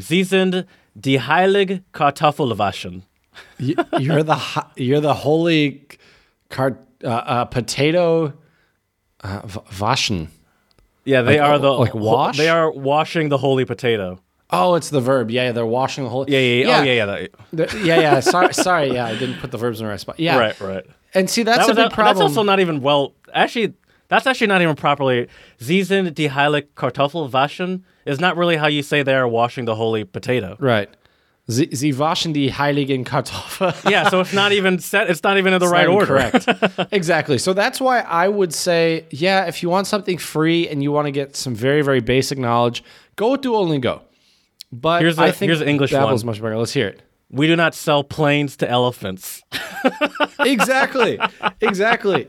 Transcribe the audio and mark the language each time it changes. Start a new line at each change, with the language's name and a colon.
German: Sie sind die heilige Kartoffelwaschen.
English: you're the holy potato waschen. Yeah, they like, are the like wash. They are washing the holy potato. Oh, it's the verb. Yeah, they're washing the holy. Sorry. Yeah, I didn't put the verbs in the right spot. Yeah. Right. And see, that's a big problem. That's also not even well. That's actually not even properly.
German: Sie sind die heilige Kartoffelwaschen
English: is not really how you say they are washing the holy potato. Right.
German: Sie waschen die heiligen Kartoffel.
English: Yeah, so it's not even set. It's not even in the it's right not order. Correct. Exactly. So that's why I would say, yeah, if you want something free and you want to get some very, very basic knowledge, go with Duolingo. But here's I think English that one. Was much better. Let's hear it. We do not sell planes to elephants. Exactly.